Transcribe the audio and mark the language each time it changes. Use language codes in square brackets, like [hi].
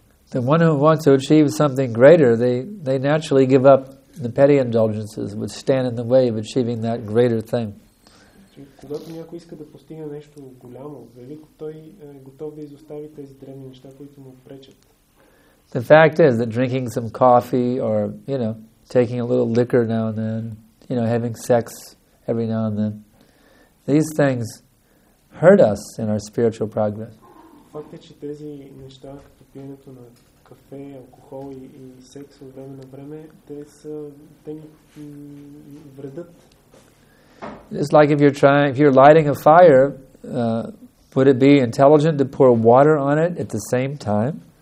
[en] The one who wants to achieve something greater, they naturally give up the petty indulgences which stand in the way of achieving that greater thing. [bg] Когато някой иска да постигне нещо голямо, велико, той е готов да изостави тези древни неща, които му пречат. [en] The fact is that drinking some coffee or, you know, taking a little liquor now and then, you know, having sex every now and then, these things hurt us in our spiritual progress. [bg] Факт е, че тези неща, като пиенето на кафе, алкохол и секс от време на време, те ни вредят. [en] It's like if you're lighting a fire, would it be intelligent to pour water on it at the same time?